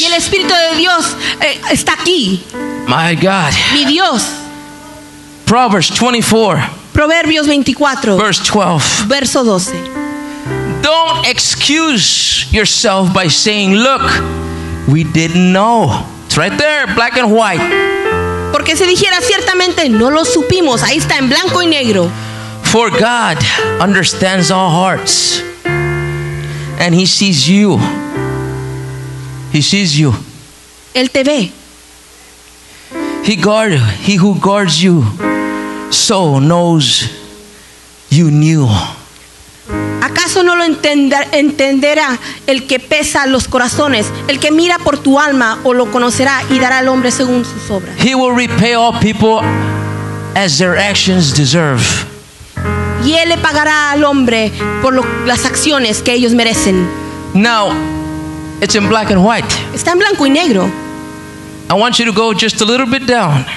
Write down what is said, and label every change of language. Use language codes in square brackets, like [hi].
[es] Y el Espíritu de Dios está aquí. [en] My God. [es] Mi Dios. [en] Proverbs 24. [es] Proverbios 24. [en] Verse 12. [es] Verso 12. [en] Don't excuse yourself by saying, "Look, we didn't know." It's right there, black and white. [es] Porque si dijera ciertamente no lo supimos, ahí está en blanco y negro. [en] For God understands all hearts, and He sees you. He sees you. [es] Él te ve. [en] He who guards you, so knows you knew. [es] ¿Acaso no lo entenderá el que pesa los corazones, el que mira por tu alma, o lo conocerá y dará al hombre según sus obras? [en] He will repay all people as their actions deserve. [es] Y él le pagará al hombre por las acciones que ellos merecen. [en] Now, it's in black and white. [es] Está en blanco y negro. [en] I want you to go just a little bit down.